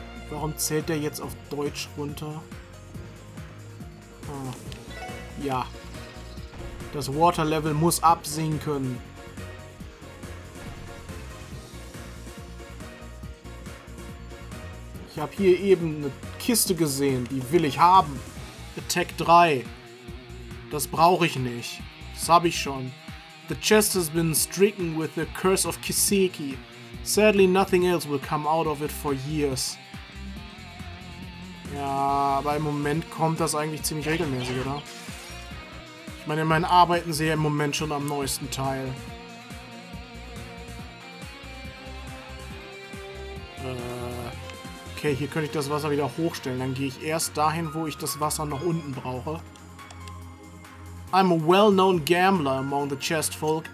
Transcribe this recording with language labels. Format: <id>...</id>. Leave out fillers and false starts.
<de>Warum zählt der jetzt auf Deutsch runter? Oh. Ja. Das Water Level muss absinken. Ich habe hier eben eine Kiste gesehen, die will ich haben. Attack 3. Das brauche ich nicht. Das habe ich schon.</de> <en>The chest has been stricken with the curse of Kiseki. Sadly, nothing else will come out of it for years.</en> <de>Ja, aber im Moment kommt das eigentlich ziemlich regelmäßig, oder? Ich meine, in meinen Arbeiten sehe ich im Moment schon am neuesten Teil. Okay, hier könnte ich das Wasser wieder hochstellen. Dann gehe ich erst dahin, wo ich das Wasser noch unten brauche.</de> <en>I'm a well-known gambler among the chest folk.</en>